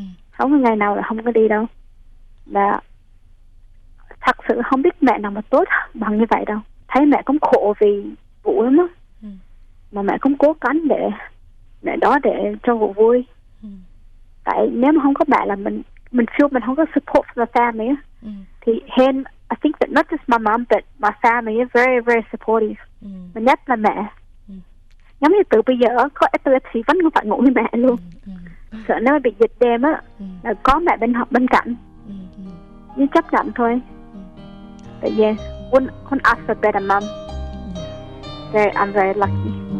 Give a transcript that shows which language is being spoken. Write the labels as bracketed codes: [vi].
[vi] Không có ngày nào là không có đi đâu. Và thật sự không biết mẹ nào mà tốt bằng như vậy đâu. Thấy mẹ cũng khổ vì Vũ lắm á. Mà mẹ cũng cố gắng để mẹ đó để cho Vũ vui. Tại nếu mà không có mẹ là mình feel mình không có [en] support from the family [vi] á. Thì hen, [en] I think that not just my mom but my family is very very supportive. [vi] Mà nhất là mẹ. Giống như từ bây giờ có epilepsy vẫn không phải ngủ với mẹ luôn. Sợ nếu mà bị dịch đêm á là có mẹ bên học bên cạnh. Nhưng chấp nhận thôi. [en] But yeah, wouldn't ask for better mom. Very, I'm very lucky.